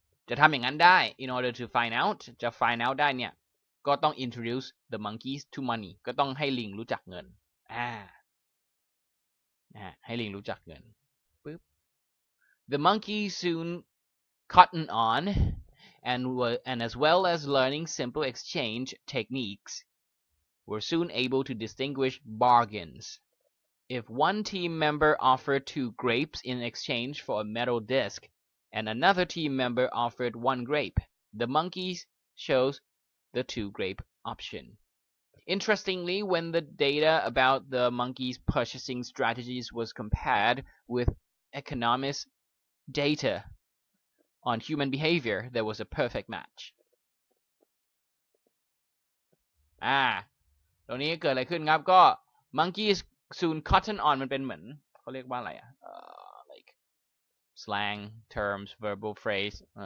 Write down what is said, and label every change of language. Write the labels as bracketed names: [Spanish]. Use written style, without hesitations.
[Thai] จะทำอย่างนั้นได้ [English] in order to find out [Thai] จะ find out ได้เนี่ยก็ต้อง [English] introduce the monkeys to money [Thai] ก็ต้องให้ลิงรู้จักเงินให้ลิงรู้จักเงินปึ๊บ [English] the monkey soon cotton onAnd as well as learning simple exchange techniques, were soon able to distinguish bargains. If one team member offered 2 grapes in exchange for a metal disc, and another team member offered 1 grape, the monkeys chose the 2 grape option. Interestingly, when the data about the monkeys' purchasing strategies was compared with economists' data,on human behavior there was a perfect match [Thai] ตรงนี้เกิดอะไรขึ้นครับก็ [English] monkey soon cotton on [Thai] มันเป็นเหมือนเขาเรียกว่าอะไรอ่ะlike [English] slang terms verbal phrase